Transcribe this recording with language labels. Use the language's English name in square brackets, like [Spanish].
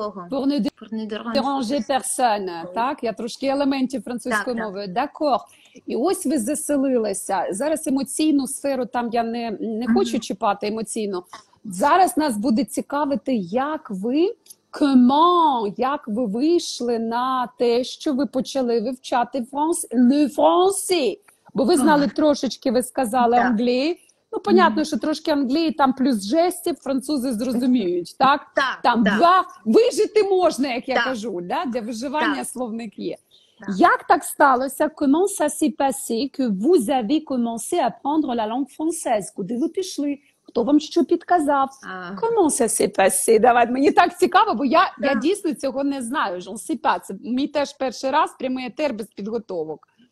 [French] Pour ne déranger personne. [Ukrainian] Так, я трошки елементів французької мови. [French] D'accord. [Ukrainian] І ось ви заселилися. Зараз емоційну сферу там я не хочу чіпати емоційно. Зараз нас буде цікавити, як ви, як ви вийшли на те, що ви почали вивчати французи? Бо ви знали трошечки, ви сказали англії. Ну, понятно, що трошки англії, там плюс жестів, французи зрозуміють, так? Так, там так. Два, вижити можна, як я кажу, да? Для виживання словник є. Як так сталося? [French] Comment ça s'est passé que vous avez commencé à apprendre la langue française? [Ukrainian] Куди ви пішли? хто вам що підказав? [French] Comment ça s'est passé? [Ukrainian] Давайте, мені так цікаво, бо я дійсно цього не знаю. [French] Je ne sais pas. [Ukrainian] Це мій теж перший раз, прямий етер без підготовок.